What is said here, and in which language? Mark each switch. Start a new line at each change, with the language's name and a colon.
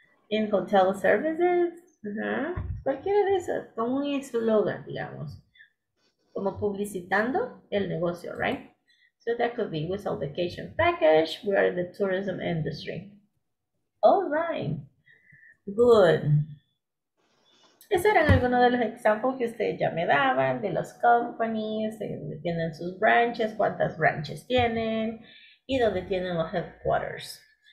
English: In hotel services,
Spanish: cualquiera de esas, como un eslogan, digamos, como publicitando el negocio, right?
English: So that could be with a vacation package, we are in the tourism industry. All right, good.
Spanish: Esos eran algunos de los ejemplos que ustedes ya me daban, de los companies, donde tienen sus branches, cuántas branches tienen, y donde tienen los headquarters.